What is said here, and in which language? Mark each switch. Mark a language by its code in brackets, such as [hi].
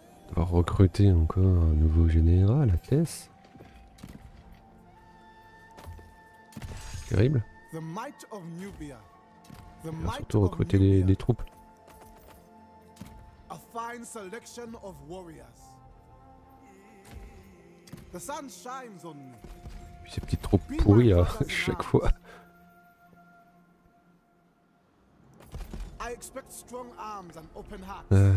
[fr] On va recruter encore un nouveau général à Thès. Terrible. [en] The might of Nubia. [fr] Et là, surtout recruter des troupes. [en] A fine selection of warriors. The sun shines on me. [fr] Puis ces petites troupes pourries à chaque fois. [en] I expect strong arms and open hearts.